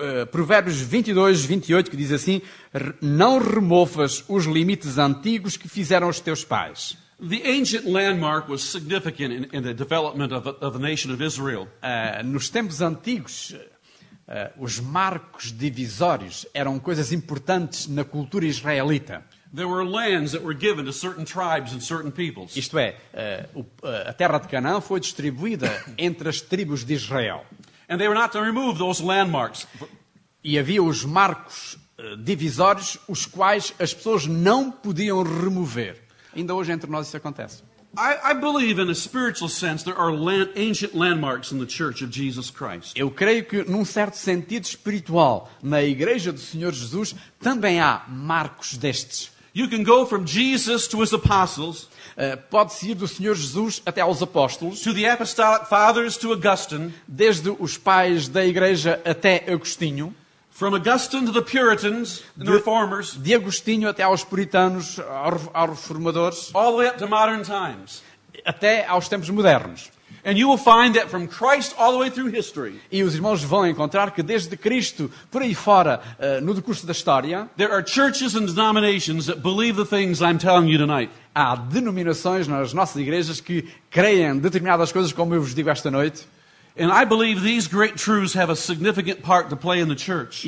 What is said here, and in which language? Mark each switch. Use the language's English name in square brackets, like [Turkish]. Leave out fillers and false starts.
[Portuguese] Provérbios 22, 28, que diz assim: não removas os limites antigos que fizeram os teus pais. [English] The ancient landmark was significant in the development of the nation of Israel. [Portuguese] Nos tempos antigos, os marcos divisórios eram coisas importantes na cultura israelita. [English] There were lands that were given to certain tribes and certain peoples. [Portuguese] Isto é, a terra de Canaã foi distribuída entre as tribos de Israel. [English] And they were not to remove those landmarks. [Portuguese] E havia os marcos divisórios, os quais as pessoas não podiam remover. Ainda hoje entre nós isso acontece. [English] I believe in a spiritual sense there are ancient landmarks in the Church of Jesus Christ. [Portuguese] Eu creio que num certo sentido espiritual na Igreja do Senhor Jesus também há marcos destes. [English] You can go from Jesus to his apostles. [Portuguese] Pode-se ir do Senhor Jesus até aos apóstolos. [English] To the apostolic fathers to Augustine. [Portuguese] Desde os pais da Igreja até Agostinho. [English] From Augustine to the Puritans and the Reformers. [Portuguese] De Agostinho até aos puritanos, aos reformadores. [English] All the way up to modern times. [Portuguese] Até aos tempos modernos. [English] And you will find that from Christ all the way through history. [Portuguese] E os irmãos vão encontrar que desde Cristo por aí fora, no decurso da história, [English] there are churches and denominations that believe the things I'm telling you tonight. [Portuguese] Há denominações nas nossas igrejas que creem determinadas coisas como eu vos digo esta noite. [English] And I believe these great truths have a significant part to play in the church.